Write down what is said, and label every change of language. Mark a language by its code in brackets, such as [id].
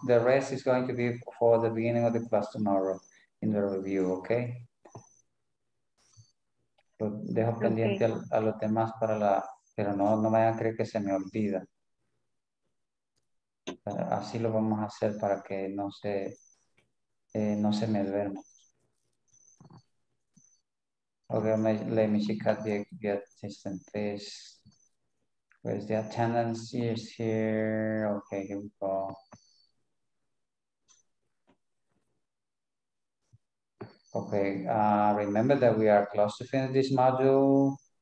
[en] The rest is going to be for the beginning of the class tomorrow in the review, okay? [es] Dejo pendiente a los demás para la, pero no vayan a creer que se me olvida. Así lo vamos a hacer para que no se me duerma. [en] Okay, let me check out the assistant, please. Where's the attendance? Is here. Okay, here we go. Okay, remember that we are close to finish this module.